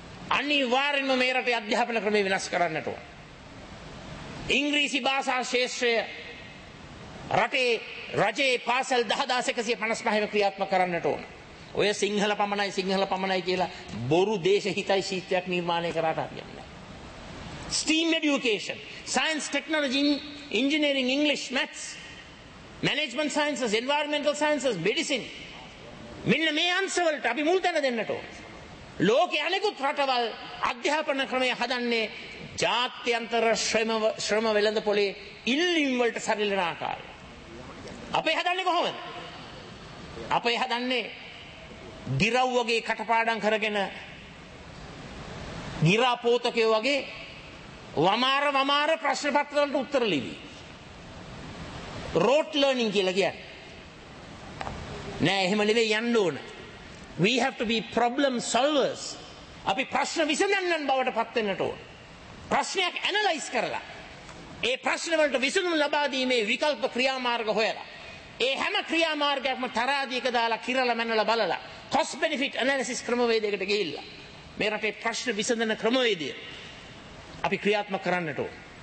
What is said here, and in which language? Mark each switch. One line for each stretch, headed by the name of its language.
Sinhala: අනිවාර්යයෙන්ම මේ රටේ අධ්‍යාපන ක්‍රමය වෙනස් කරන්නට ඕන. ඉංග්‍රීසි භාෂා ශේෂ්ත්‍රය රටේ රජයේ පාසල් 10155 ක්‍රියාත්මක කරන්නට ඕන. ඔය සිංහල පමණයි සිංහල පමණයි කියලා බොරු දේශ හිතයි ශිෂ්ටයක් නිර්මාණය කරාට හරියන්නේ නැහැ.
English: STEAM education, science, technology, engineering, english, maths, management sciences, environmental sciences, medicine,
Sinhala: මෙන්න මේ අංශවලට අපි මුල් තැන දෙන්නට ඕන. ලෝකයේ අනෙකුත් රටවල් අධ්‍යාපන ක්‍රමය හදන්නේ ජාත්‍යන්තර ශ්‍රම වෙළඳ පොලේ ඉල්ලීම් වලට සරිලන ආකාරය. අපේ හදන්නේ කොහොමද? අපේ හදන්නේ ගිරව් වගේ කටපාඩම් කරගෙන ගිරා පෝතකයෝ වගේ වමාර වමාර ප්‍රශ්න පත්‍ර වලට උත්තර ලිවි. රෝට් ලර්නින් කියලා කියන්නේ නෑ, එහෙම නෙවෙයි යන්න ඕන.
English: We have to be problem solvers.
Sinhala: අපි ප්‍රශ්න විසඳන්න බවට පත් වෙන්නට ඕන. ප්‍රශ්නයක් ඇනලයිස් කරලා ඒ ප්‍රශ්න වලට විසඳුම් ලබා දීමේ විකල්ප ක්‍රියාමාර්ග හොයලා ඒ හැම ක්‍රියාමාර්ගයක්ම තරාදියක දාලා කිරලා මැනලා බලලා
English: cost benefit analysis
Sinhala: ක්‍රමවේදයකට ගිහිල්ලා මේ රටේ ප්‍රශ්න විසඳන ක්‍රමවේදය අපි ක්‍රියාත්මක කරන්නට ඕන.